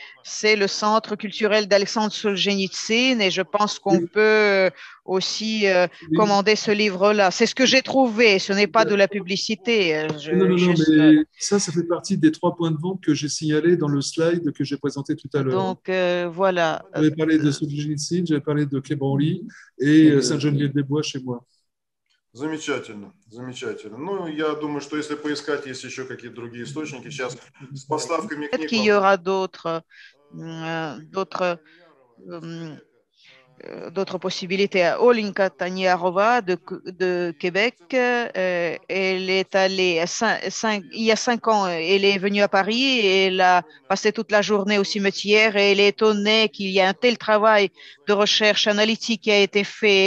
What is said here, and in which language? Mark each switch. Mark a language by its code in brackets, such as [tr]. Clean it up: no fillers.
[fr] C'est le Centre culturel d'Alexandre Solzhenitsyn et je pense qu'on peut aussi commander ce livre-là. C'est ce que j'ai trouvé, ce n'est pas de la publicité. Ça fait partie des trois points de vente que j'ai signalés dans le slide que j'ai présenté tout à l'heure. Donc, voilà. J'avais parlé de Solzhenitsyn, j'avais parlé de Kebranly et Saint-Geneviève-des-Bois chez moi. [ru] Замечательно, замечательно. Ну, я думаю, что если поискать, есть еще какие-то другие источники. Сейчас с поставками книг... [fr] Peut-être qu'il y aura d'autres possibilités. Olinka Taniarova de Québec, elle est allée, il y a 5 ans, elle est venue à Paris et elle a passé toute la journée au cimetière et elle est étonnée qu'il y ait un tel travail de recherche analytique qui a été fait.